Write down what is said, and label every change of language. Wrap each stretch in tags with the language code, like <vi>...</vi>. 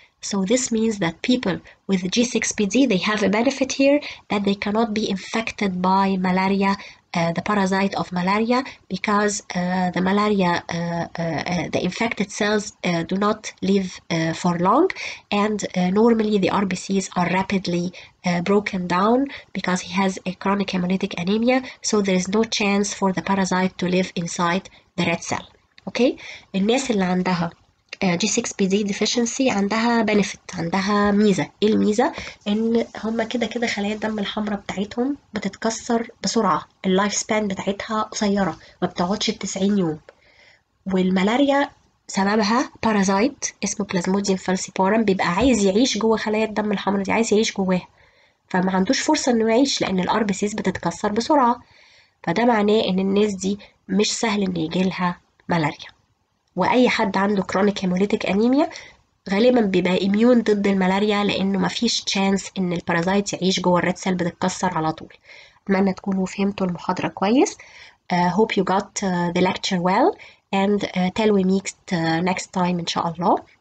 <en>So this means that people with G6PD, they have a benefit here that they cannot be infected by malaria, the parasite of malaria, because the malaria, the infected cells do not live for long. And normally the RBCs are rapidly broken down because he has a chronic hemolytic anemia. So there is no chance for the parasite to live inside the red cell.</en> <ar>Okay, الناس اللي عندها G6PD deficiency عندها benefit, عندها ميزة. ايه الميزة؟ ان هما كده كده خلايا الدم الحمراء بتاعتهم بتتكسر بسرعة, اللايف سبان بتاعتها قصيرة ما بتقعدش 90 يوم. والملاريا سببها بارازايت اسمه بلازموديوم فالسيبارم, بيبقى عايز يعيش جوه خلايا الدم الحمراء دي, عايز يعيش جواه, فما عندوش فرصة انه يعيش لان الار بي سيز بتتكسر بسرعة. فده معناه ان الناس دي مش سهل ان يجيلها ملاريا. واي حد عنده كرونيك هيموليتيك انيميا غالبا بيبقى اميون ضد الملاريا لانه مفيش تشانس ان البارازايت يعيش جوه الريد سيل بتتكسر على طول. اتمنى تكونوا فهمتوا المحاضره كويس.</ar> <en>Hope you got the lecture well and till we meet next time</en> <ar>ان شاء الله.</ar>